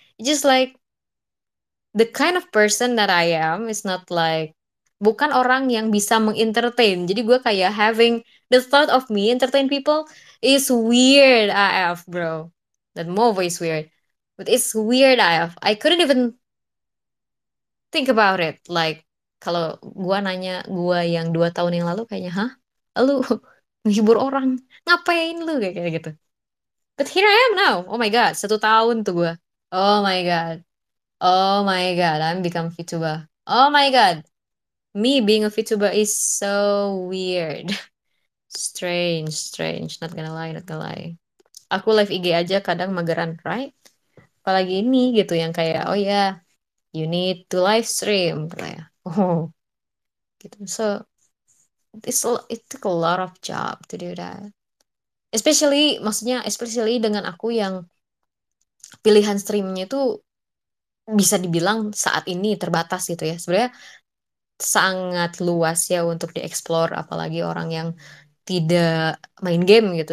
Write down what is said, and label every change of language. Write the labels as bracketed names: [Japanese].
[English] It's just like the kind of person that I am is not like [Indonesian] bukan orang yang bisa mengentertain. Jadi gue kayak [English] having the thought of me entertain people is weird AF, bro. That move is weird. But it's weird AF. I couldn't even think about it. [Indonesian] Like kalau gue nanya gue yang 2 tahun yang lalu kayaknya, hah? Lu menghibur orang ngapain lu kayak gitu. [English] But here I am now. Oh my god, [Indonesian] 1 tahun tuh gue. [English] Oh my god. Oh my god, I'm become VTuber. Oh my god. Me being a VTuber is so weird. Strange, strange. Not gonna lie, not gonna lie. [Indonesian] Aku live IG aja kadang mageran, [English] right? [Indonesian] Apalagi ini gitu yang kayak, oh ya, [English] yeah, you need to live stream. [Indonesian] Kayak, oh. [English] Gitu, so it took a lot of job to do that. [Indonesian] Especially, maksudnya, especially dengan aku yang pilihan streamnya itu bisa dibilang saat ini terbatas gitu ya. Sebenarnya sangat luas ya untuk dieksplor, apalagi orang yang tidak main game gitu.